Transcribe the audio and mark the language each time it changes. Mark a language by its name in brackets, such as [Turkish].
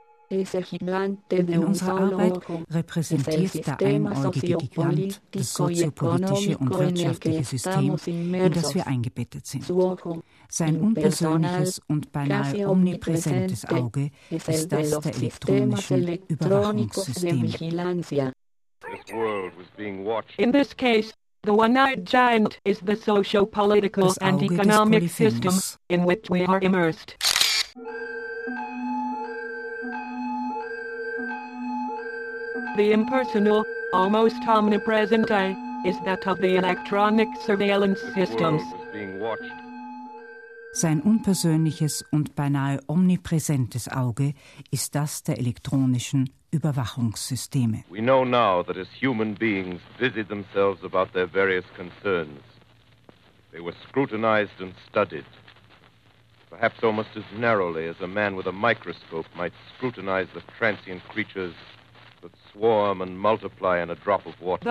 [German] In unserer Arbeit repräsentiert der einäugige Gigant das soziopolitische und wirtschaftliche System, in das wir eingebettet sind. Sein unpersönliches und beinahe omnipräsentes Auge ist das der elektronischen Überwachungssysteme. [English] In this case, the one-eyed giant is the socio-political and economic system in which we are immersed. The impersonal, almost omnipresent eye is that of the electronic surveillance systems. [German] Sein unpersönliches und beinahe omnipräsentes Auge ist das der elektronischen Überwachungssysteme. [English] We know now that as human beings busy themselves about their various concerns, they were scrutinized and studied, perhaps almost as narrowly as a man with a microscope might scrutinize the transient creatures that swarm and multiply in a drop of water.